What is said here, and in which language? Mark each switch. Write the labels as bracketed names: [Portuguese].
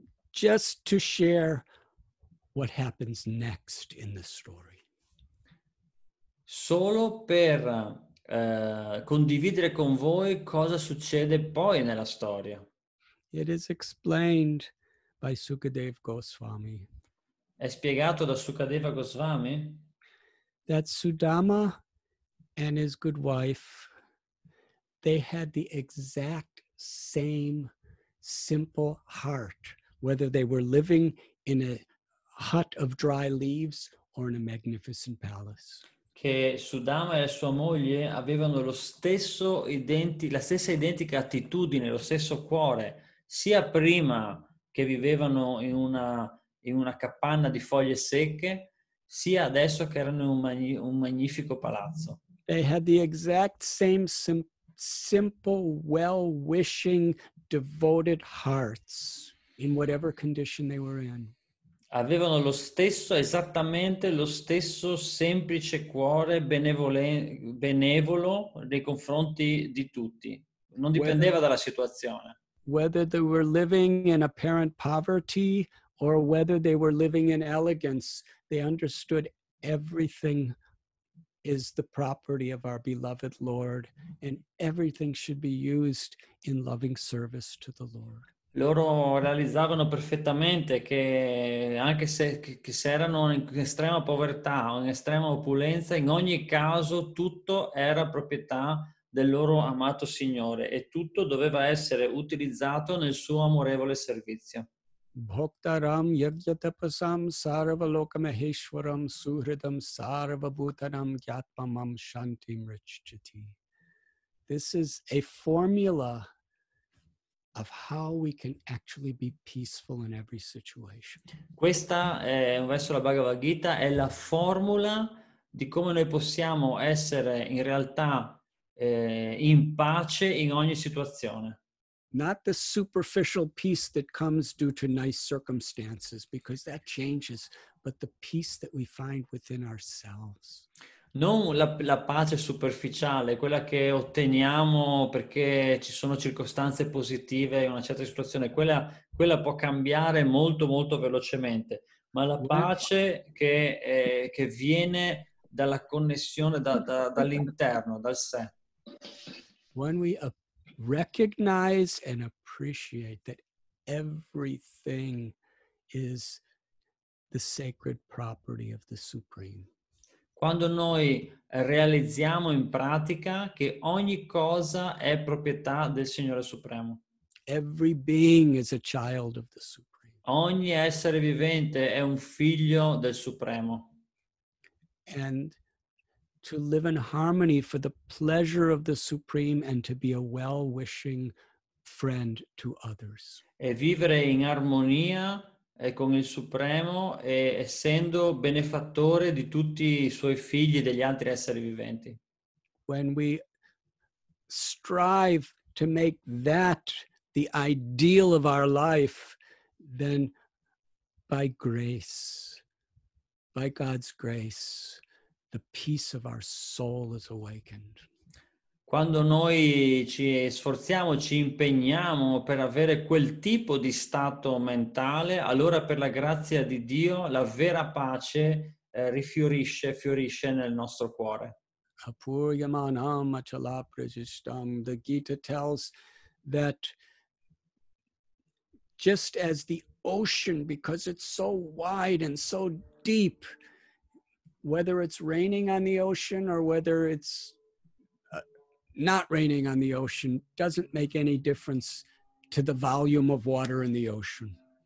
[English] Just to share what happens next in the story. [Italian] Solo per condividere con voi cosa succede poi nella storia. [English] It is explained by Sukadeva Goswami. [Italian] È spiegato da Sukadeva Goswami [English] that Sudama and his good wife, they had the exact same simple heart, whether they were living in a hut of dry leaves or in a magnificent palace. [Italian] Che Sudama e sua moglie avevano lo stesso la stessa identica attitudine, lo stesso cuore, sia prima che vivevano in una capanna di foglie secche, sia adesso che erano in un magnifico palazzo. [English] They had the exact same simple, well-wishing, devoted hearts in whatever condition they were in. [Italian] Avevano lo stesso, esattamente lo stesso semplice cuore benevolo nei confronti di tutti. Non dipendeva dalla situazione. [English] Whether they were living in apparent poverty or whether they were living in elegance, they understood everything is the property of our beloved Lord and everything should be used in loving service to the Lord. [Italian] Loro realizzavano perfettamente che anche se erano in estrema povertà o in estrema opulenza, in ogni caso tutto era proprietà del loro amato Signore e tutto doveva essere utilizzato nel suo amorevole servizio. [Sanskrit] Bhoktaram yagyatapasam sarvalokameheshwaram suhridam sarvabhutanam gyatmamam shantim richchati. [English] This is a formula of how we can actually be peaceful in every situation. [Italian] Questa è un verso della Bhagavad Gita, è la formula di come noi possiamo essere in realtà in pace in ogni situazione. [English] Not the superficial peace that comes due to nice circumstances, because that changes, but the peace that we find within ourselves. [Italian] Non la pace superficiale, quella che otteniamo perché ci sono circostanze positive in una certa situazione, quella può cambiare molto, molto velocemente, ma la pace che viene dalla connessione, dall'interno, dal sé. [English] When we recognize and appreciate that everything is the sacred property of the Supreme. [Italian] Quando noi realizziamo in pratica che ogni cosa è proprietà del Signore Supremo. [English] Every being is a child of the Supreme. [Italian] Ogni essere vivente è un figlio del Supremo. [English] And to live in harmony for the pleasure of the Supreme and to be a well-wishing friend to others. [Italian] E vivere in armonia e con il Supremo e essendo benefattore di tutti i suoi figli e degli altri esseri viventi. [English] When we strive to make that the ideal of our life, then by grace, by God's grace, the peace of our soul is awakened. [Italian] Quando noi ci sforziamo, ci impegniamo per avere quel tipo di stato mentale, allora per la grazia di Dio la vera pace rifiorisce, fiorisce nel nostro cuore. [Sanskrit] Apuryamanam achala prajistam. [English] The Gita tells that just as the ocean, because it's so wide and so deep, whether it's raining on the ocean or whether it's not raining on the ocean doesn't make any difference to the volume of water in the ocean.